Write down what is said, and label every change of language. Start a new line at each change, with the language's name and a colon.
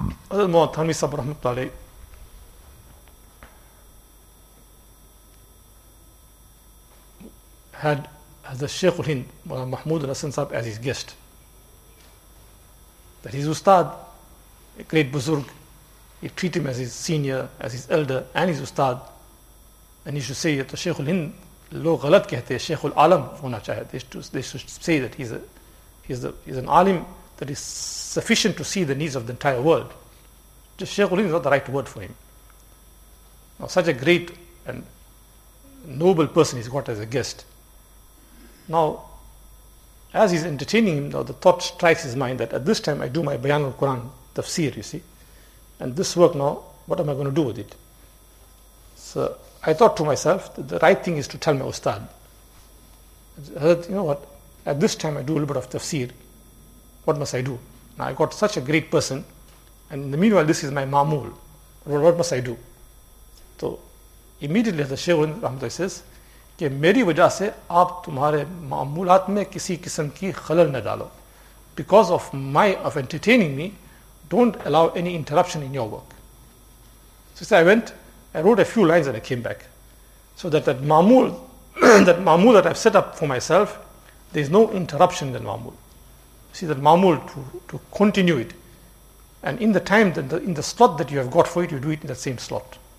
English: Other more, Thanvi Sahib Rahmatullah, had the Shaykh ul-Hind, Mahmood al-Hassan Sahib, as his guest. That his ustad, a great buzurg, he treat him as his senior, as his elder, and his ustad. And he should say that Shaykh ul-Hind,
Urdu: لو غلط کہتے ہیں شیخ العالم ہونا چاہے.
English: They should say that he is an alim that is sufficient to see the needs of the entire world. Just Shaykh ul-Hind is not the right word for him. Now such a great and noble person he's got as a guest. Now, as he's entertaining him, now the thought strikes his mind that at this time I do my Bayan al-Quran, tafsir, you see. And this work now, what am I going to do with it? So I thought to myself that the right thing is to tell my ustad. Hazrat, you know what, at this time I do a little bit of tafsir. What must I do? Now I got such a great person, and in the meanwhile this is my ma'mool. What must I do? So immediately the Shaykh ul-Hind rahmatullah says,
Urdu: کہ میری وجہ سے آپ تمہارے معمولات میں کسی قسم کی خلل نہ ڈالو.
English: Because of my of entertaining me, don't allow any interruption in your work. So I went, I wrote a few lines and I came back. So that معمول that معمول that I've set up for myself, there is no interruption in the معمول. See that معمول to continue it. And in the time, that in the slot that you have got for it, you do it in that same slot.